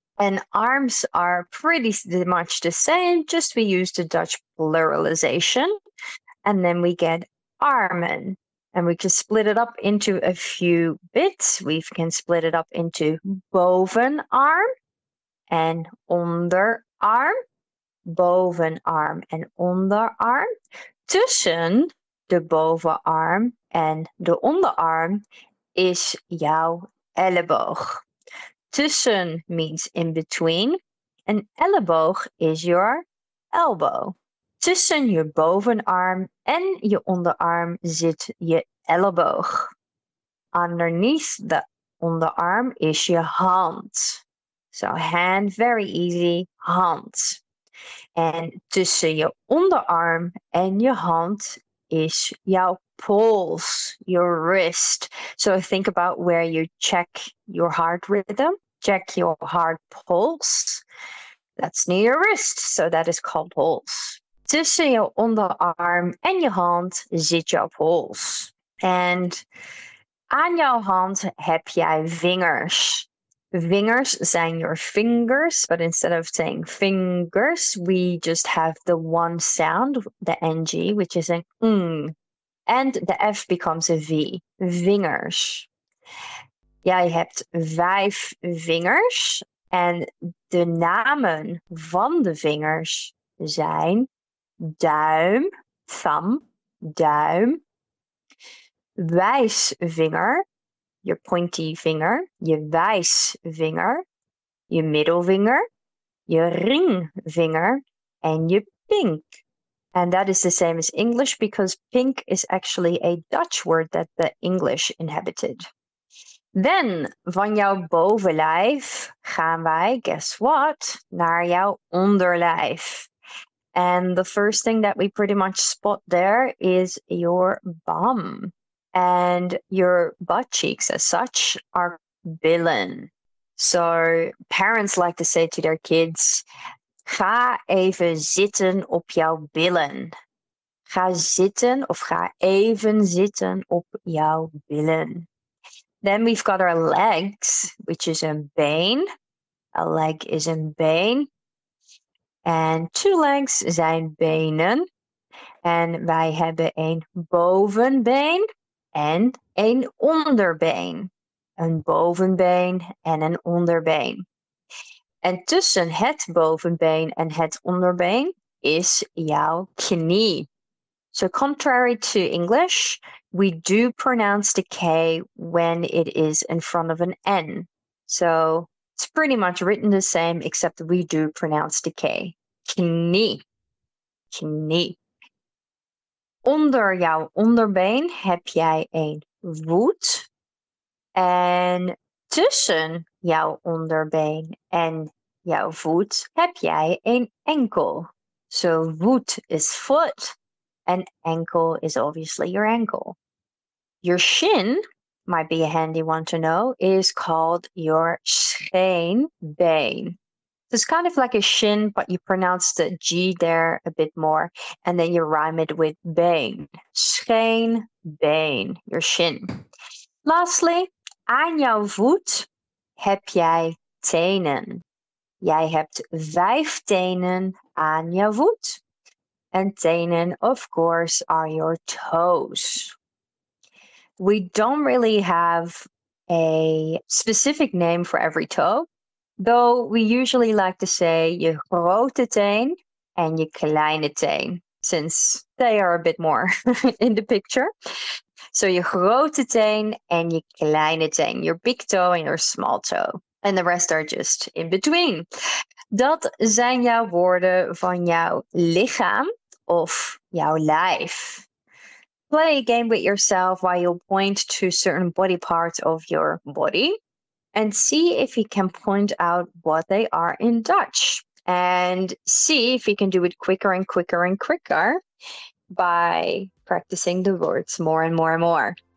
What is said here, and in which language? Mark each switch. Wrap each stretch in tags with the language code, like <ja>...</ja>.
<en>And arms are pretty much the same, just we use the Dutch pluralization. And then we get armen. And we can split it up into a few bits. We can split it up into bovenarm and onderarm.</en> <nl>Bovenarm and onderarm. Tussen de bovenarm en de onderarm is jouw elleboog.</nl> <en>Tussen means in between. An elleboog is your elbow.</en> <nl>Tussen je bovenarm en je onderarm zit je elleboog.</nl> <en>Underneath the onderarm is your hand. So hand, very easy, hand. And tussen your onderarm and your hand is your pulse, your wrist. So think about where you check your heart rhythm, check your heart pulse. That's near your wrist, so that is called pulse. Tussen your onderarm and your hand zit your pulse. And</en> <nl>aan jouw hand heb jij vingers. Vingers zijn</nl> <en>your fingers, but instead of saying fingers, we just have the one sound, the ng, which is an ng. And the F becomes a V. Vingers.</en> <nl>Jij hebt 5 vingers en de namen van de vingers zijn duim, thumb, duim, wijsvinger, je pointy vinger, je wijsvinger, je middelvinger, je ringvinger en je pink.</nl> <en>And that is the same as English because pink is actually a Dutch word that the English inhabited. Then,</en> <nl>van jouw bovenlijf gaan wij,</nl> <en>guess what,</en> <nl>naar jouw onderlijf.</nl> <en>And the first thing that we pretty much spot there is your bum. And your butt cheeks as such are billen. So parents like to say to their kids,</en> <nl>ga even zitten op jouw billen. Ga zitten of ga even zitten op jouw billen.</nl> <en>Then we've got our legs, which is</en> <nl>een been.</nl> <en>A leg is</en> <nl>een been.</nl> <en>And 2 legs</en> <nl>zijn benen. En wij hebben een bovenbeen en een onderbeen. Een bovenbeen en een onderbeen. En tussen het bovenbeen en het onderbeen is jouw knie.</nl> <en>So contrary to English, we do pronounce the K when it is in front of an N. So it's pretty much written the same, except we do pronounce the K.</en> <nl>Knie. Knie. Onder jouw onderbeen heb jij een voet. En tussen jouw onderbeen en jouw voet heb jij een enkel.</nl> <en>So voet is foot. An ankle is obviously your ankle. Your shin, might be a handy one to know, is called your scheenbeen. So it's kind of like a shin, but you pronounce the G there a bit more, and then you rhyme it with been. Scheenbeen, your shin. Lastly,</en> <nl>aan jouw voet heb jij tenen. Jij hebt 5 tenen aan jouw voet.</nl> <en>And tenen, of course, are your toes. We don't really have a specific name for every toe, though we usually like to say</en> <nl>je grote teen</nl> <en>and</en> <nl>je kleine teen,</nl> <en>since they are a bit more in the picture. So</en> <nl>je grote teen</nl> <en>and</en> <nl>je kleine teen,</nl> <en>your big toe and your small toe. And the rest are just in between.</en> <nl>Dat zijn jouw woorden van jouw lichaam. Of jouw lijf.</nl> <en>Play a game with yourself while you point to certain body parts of your body and see if you can point out what they are in Dutch and see if you can do it quicker and quicker and quicker by practicing the words more and more and more.</en>